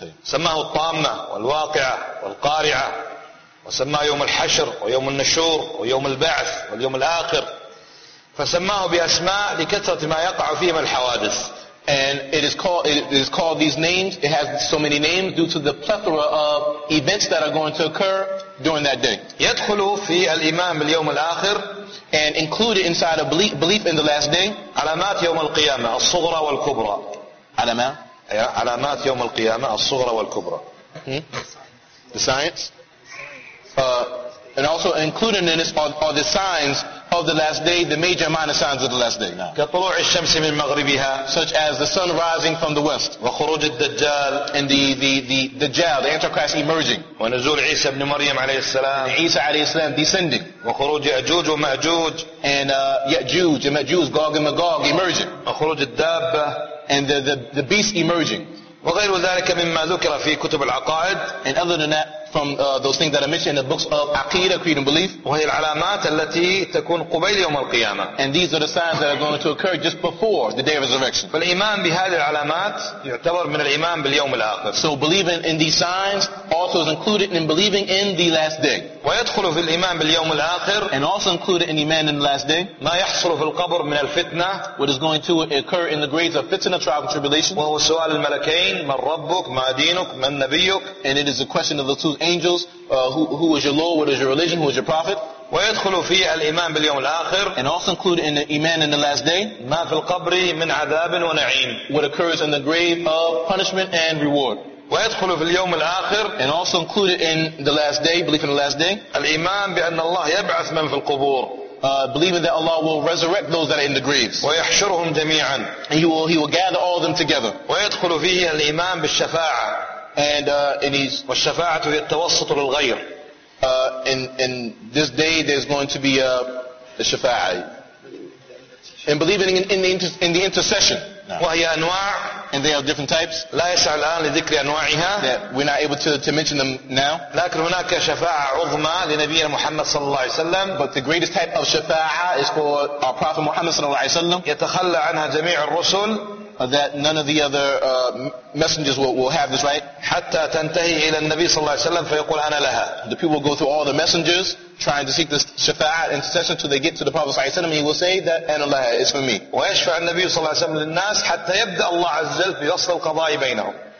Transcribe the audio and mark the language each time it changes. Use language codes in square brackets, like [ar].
[ar] سماه الطامة والواقعة والقارعة. وسماه يوم الحشر ويوم النشور ويوم البعث واليوم الآخر. فسماه بأسماء لكثرة ما يقع فيه من الحوادث. [en] And it is called these names. It has so many names due to the plethora of events that are going to occur during that day. [ar] يدخل في الإيمان باليوم الآخر. [en] And included inside a belief in the last day. [ar] علامات يوم القيامة الصغرى والكبرى. علامات علامات يوم القيامة الصغرى والكبرى. [en] The signs. And also including in this are the signs of the last day, the major minor signs of the last day. [ar] كطلوع الشمس من مغربها, [en] such as the sun rising from the west. [ar] وخروج الدجال, [en] and the Dajjal, the Antichrist emerging. [ar] ونزول عيسى ابن مريم عليه السلام, [en] and [ar] عيسى عليه السلام [en] descending. [ar] وخروج يأجوج ومأجوج, [en] and يأجوج ومأجوج, Gog and Magog emerging. [ar] وخروج الدابة, [en] and the beast emerging. [ar] وغير ذلك مما ذكر في كتب العقائد, [en] and other than that from those things that are mentioned in the books of Aqidah, Creed and Belief. [ar] وهي العلامات التي تكون قبيل يوم القيامة, [en] and these are the signs that are going to occur just before the day of resurrection. [ar] فالإيمان بهذه العلامات يعتبر من الإيمان باليوم الآخر. [en] So believing in these signs also is included in believing in the last day. [ar] ويدخل في الإيمان باليوم الآخر, [en] and also included in iman in the last day, [ar] ما يحصل في القبر من الفتنة, [en] what is going to occur in the graves of fitna, trial and tribulation. [ar] وهو سؤال الملكين, من ربك, ما دينك, من نبيك, [en] and it is a question of the two angels, who is your Lord, what is your religion, who is your prophet. [ar] ويدخل في الإيمان باليوم الآخر, [en] and also included in the iman in the last day, [ar] ما في القبر من عذاب ونعيم, [en] what occurs in the grave of punishment and reward. [ar] ويدخل في اليوم الآخر, [en] and also included in the last day, belief in the last day, [ar] الإيمان بأن الله يبعث من في القبور, [en] believing that Allah will resurrect those that are in the graves. [ar] ويحشرهم جميعا, [en] and he will gather all of them together. [ar] ويدخل فيه الإيمان بالشفاعة, [en] and [ar] والشفاعة هي التوسط للغير. [en] In this day there's going to be a شفاعة, and believing in the intercession. [ar] وهي أنواع, [en] and they are different types. [ar] لا يسع الآن لذكر أنواعها, [en] that we're not able to mention them now. [ar] لكن هناك شفاعة عظمى لنبينا محمد صلى الله عليه وسلم. [en] But the greatest type of شفاعة is for our Prophet Muhammad [ar] صلى الله عليه وسلم. يتخلى عنها جميع الرسل, [en] that none of the other messengers will have this right. [ar] حتى تنتهي إلى النبي صلى الله عليه وسلم فيقول أنا لها. [en] The people will go through all the messengers trying to seek this شفاعة intercession until they get to the Prophet [ar] صلى الله عليه وسلم, [en] and he will say that [ar] أنا لها, [en] it's for me. [ar] ويشفع النبي صلى الله عليه وسلم للناس حتى يبدأ الله عز وجل في فصل القضاء بينهم.